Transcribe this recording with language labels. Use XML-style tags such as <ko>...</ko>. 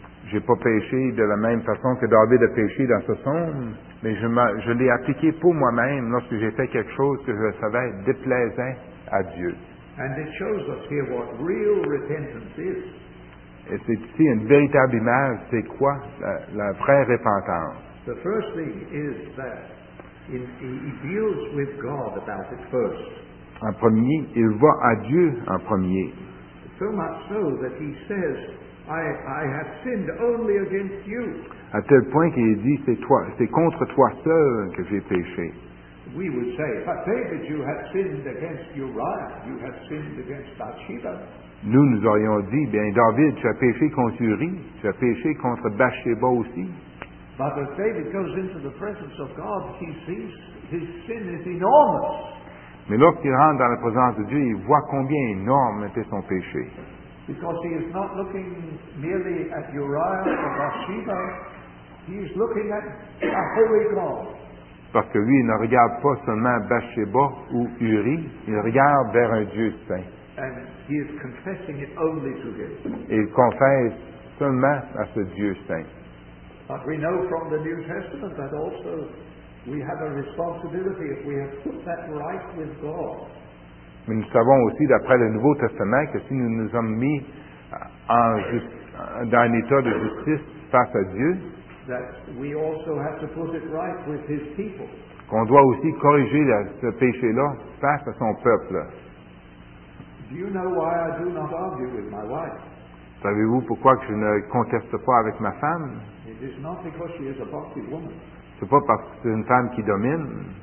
<fr>J'ai pas péché de la même façon que David a péché dans ce psaume, mais je l'ai appliqué pour moi-même lorsque j'ai fait quelque chose que je savais déplaisant à Dieu.</fr> <en>And it shows us here what real repentance is.</en> <fr>Et c'est ici une véritable image, c'est quoi la vraie repentance.</fr> <en>The first thing is that he deals with God about it first.</en> <fr>En premier, il va à Dieu en premier.</fr> <en>So much so that he says, I have sinned only against you.</en> <fr>À tel point qu'il dit, c'est contre toi seul que j'ai péché.</fr> <en>We would say, but David, you have sinned against Uriah, you have sinned against Bathsheba.</en> <fr>Nous aurions dit, bien David, tu as péché contre Uri, tu as péché contre Bathsheba aussi.</fr> <en>But as David goes into the presence of God, he sees his sin is enormous.</en> <fr>Mais lorsqu'il rentre dans la présence de Dieu, il voit combien énorme était son péché.</fr> <en>Because he is not looking merely at Uriah or Bathsheba, he is looking at a holy God.</en> <fr>Parce que lui, il ne regarde pas seulement Bathsheba ou Uri, il regarde vers un Dieu saint.</fr> <en>And he is confessing it only to him.</en> <fr>Il confesse seulement à ce Dieu saint.</fr> <en>But we know from the New Testament that also we have a responsibility if we have put that right with God.</en> <fr>Mais nous savons aussi, d'après le Nouveau Testament, que si nous nous sommes mis en dans un état de justice face à Dieu,</fr> <en>that we also have to put it right with his people.</en> <fr>Qu'on doit aussi corriger ce péché-là face à son peuple.</fr> <en>Do you know why I do not argue with my wife?</en> <fr>Savez-vous pourquoi que je ne conteste pas avec ma femme?</fr> <en>It is not because she is a bossy woman.</en> <fr>C'est pas parce que c'est une femme qui domine.</fr>